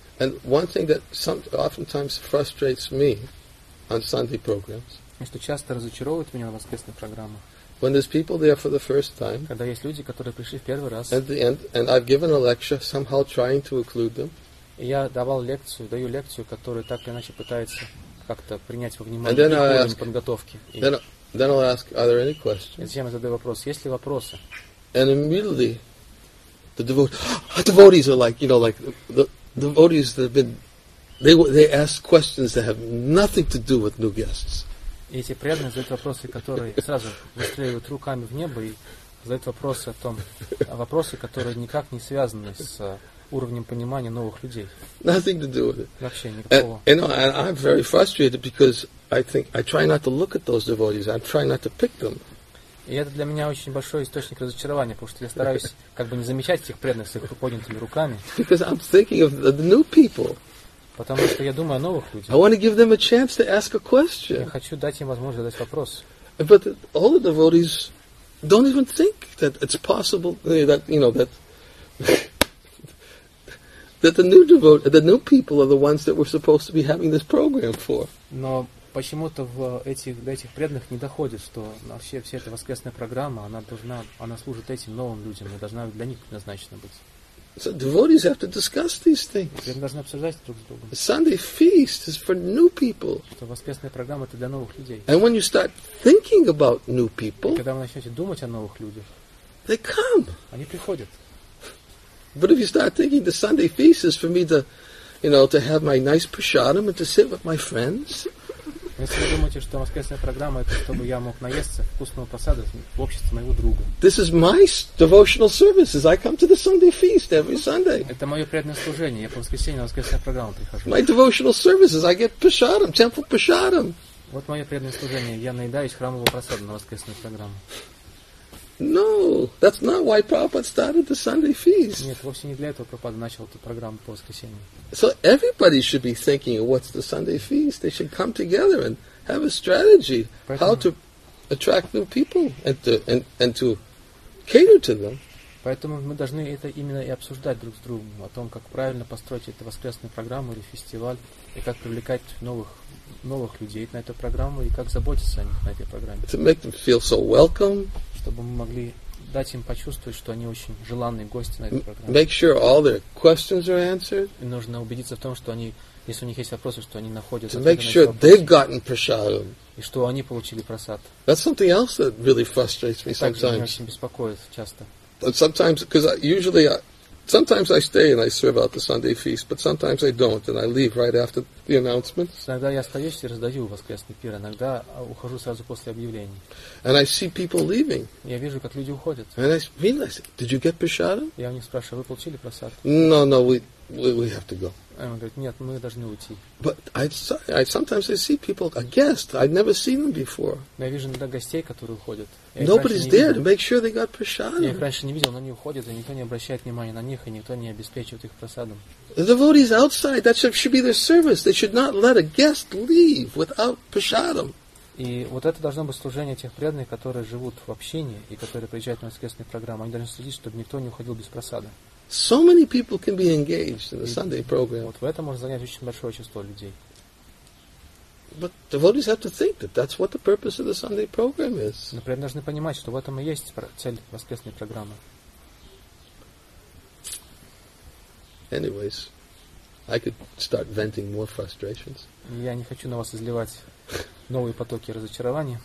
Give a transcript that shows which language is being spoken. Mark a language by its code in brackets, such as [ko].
[en] And one thing that oftentimes frustrates me on Sunday programs. [ru] И что часто разочаровывает меня на воскресных программах. [en] When there's people there for the first time, [ru] когда есть люди, которые пришли в первый раз, [en] and I've given a lecture, somehow trying to include them, [ru] я давал лекцию, даю лекцию, которую так или иначе пытается как-то принять во внимание. [en] And then [ru] и [en] I ask, [ru] подготовки. [en] Then I'll ask, are there any questions? [ru] Затем я задаю вопрос, есть ли вопросы? [en] And immediately, the devotees are like, you know, like the devotees that have been, they ask questions that have nothing to do with new guests. [ru] И эти преданные задают вопросы, которые сразу выстреливают руками в небо и задают вопросы о том, вопросы, которые никак не связаны с уровнем понимания новых людей. [en] Nothing to do with it. [ru] Вообще никакого. [en] And I'm very frustrated because I think I try not to look at those devotees. I'm trying not to pick them. [ru] И это для меня очень большой источник разочарования, потому что я стараюсь как бы не замечать этих преданных с их поднятыми руками. [en] Because I'm thinking of the new people. [ru] Потому что я думаю о новых людях. [en] I want to give them a chance to ask a question. [ru] Я хочу дать им возможность задать вопрос. [en] But all the devotees don't even think that it's possible that, you know, that that the new devotees, the new people are the ones that we're supposed to be having this program for. [ru] Но почему-то в этих, до этих преданных не доходит, что вообще вся эта воскресная программа, она должна, она служит этим новым людям, и должна для них предназначена быть. [en] So devotees have to discuss these things. [ru] Они должны обсуждать друг с другом. [en] Sunday feast is for new people. [ru] Что воскресная программа это для новых людей. [en] And when you start thinking about new people, [ru] когда вы начнете думать о новых людях, [en] they come. [ru] Они приходят. [en] But if you start thinking the Sunday feast is for me to, you know, to have my nice prasadam and to sit with my friends, [ru] если вы думаете, что воскресная программа это чтобы я мог наесться вкусного просада в обществе моего друга. [en] This is my devotional service. I come to the Sunday feast every Sunday. [ru] Это мое преданное служение. Я по воскресеньям на воскресную программу прихожу. [en] My devotional service is I get prasadam, temple prasadam. [ru] Вот мое преданное служение. Я наедаюсь храмового просада на воскресную программу. [en] No, that's not why Prabhupada started the Sunday feast. [ru] Нет, вовсе не для этого Прабхупада начал эту программу по воскресеньям. [en] So everybody should be thinking, what's the Sunday feast? They should come together and have a strategy [ru] поэтому, [en] how to attract new people and to cater to them. [ru] Поэтому мы должны это именно и обсуждать друг с другом о том, как правильно построить эту воскресную программу или фестиваль и как привлекать новых людей на эту программу и как заботиться о них на этой программе. [en] To make them feel so welcome. [ru] Чтобы мы могли дать им почувствовать, что они очень желанные гости на этой программе. [en] Make sure all their questions are answered. [ru] И нужно убедиться в том, что они, если у них есть вопросы, что они находят. [en] To make sure they've gotten prasadam. [ru] И что они получили прасад. [en] That's something else that really frustrates me sometimes. [ru] Также меня очень беспокоит часто. [en] But sometimes, because usually, sometimes I stay and I serve out the Sunday feast, but sometimes I don't and I leave right after the announcements. [ru] Иногда я остаюсь и раздаю воскресный пир, иногда ухожу сразу после объявлений. [en] And I see people leaving. [ru] Я вижу, как люди уходят. [en] And I realize, did you get prasadam? [ru] Я у них спрашиваю, вы получили прасад? [en] No, we have to go. [ru] Он говорит, нет, мы должны уйти. [en] But I sometimes I see people, a guest, I've never seen them before. [ru] Но я вижу иногда гостей, которые уходят. [en] Nobody's there to make sure they got prasadam. [ru] Я их раньше не видел, но они уходят, и никто не обращает внимания на них, и никто не обеспечивает их просадом. [en] The devotees outside, that should be their service. They should not let a guest leave without prasadam. [ru] И вот это должно быть служение тех преданных, которые живут в общении и которые приезжают на воскресные программы. Они должны следить, чтобы никто не уходил без просада. [en] So many people can be engaged in the Sunday program. [ru] Вот в этом можно занять очень большое число людей. [en] But devotees have to think that that's what the purpose of the Sunday program is. [ru] Например, должны понимать, что в этом и есть цель воскресной программы. [en] Anyways, I could start venting more frustrations. [ru] Я не хочу на вас изливать новые потоки разочарования.